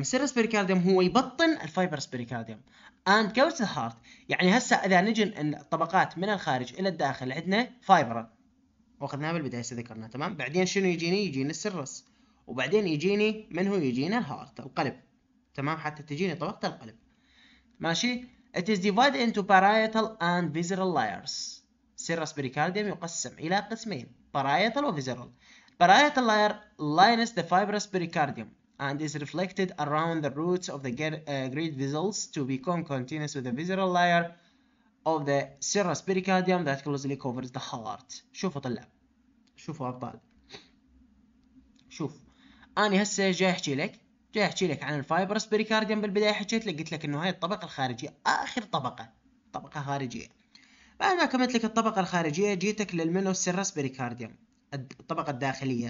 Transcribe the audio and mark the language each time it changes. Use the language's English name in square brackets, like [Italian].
[Arabic] السيرس بيريكارديوم هو يبطن الفايبرس بيريكارديوم [English] And goes the heart. [Arabic] يعني هسه اذا نجي الطبقات من الخارج الى الداخل، عندنا فايبر واخذناه بالبداية ذكرناه. تمام. بعدين شنو يجيني؟ يجيني السرس. وبعدين يجيني من هو؟ يجيني الهارت، القلب. تمام. حتى تجيني طبقة القلب. ماشي. [English] It is divided into parietal and visceral layers. [Arabic] سيرس بيريكارديوم يقسم إلى قسمين، parietal و visceral. [English] Parietal layer lines the fibrous pericardium and is reflected around the roots of the great vessels to become continuous with the visceral layer of the serous pericardium that closely covers the heart. [Arabic] شوفوا طلاب، شوفوا أبطال، شوف أني هسه جاي أحكي لك عن الفايبرس بيريكارديوم. بالبداية حكيت لك، قلت لك إنه هاي الطبقة الخارجية، آخر طبقة، طبقة خارجية. بعد ما كملت لك الطبقة الخارجية، جيتك للمينو سيرس بيريكارديوم، الطبقة الداخلية.